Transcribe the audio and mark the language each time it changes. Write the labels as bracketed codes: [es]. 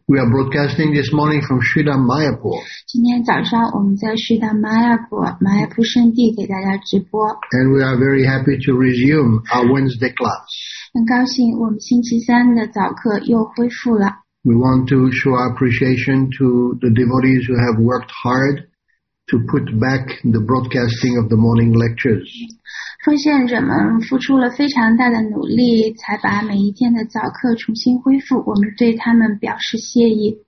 [en] We are broadcasting this morning from Shrida Mayapur. [zh] 今天早上我们在 Shrida Mayapur 马耶普圣地给大家直播。 [en] And we are very happy to resume our Wednesday class. [zh] 很高兴我们星期三的早课又恢复了。 [en] We want to show our appreciation to the devotees who have worked hard to put back the broadcasting of the morning lectures. [zh] 奉献者们付出了非常大的努力才把每一天的早课重新恢复，我们对他们表示谢意。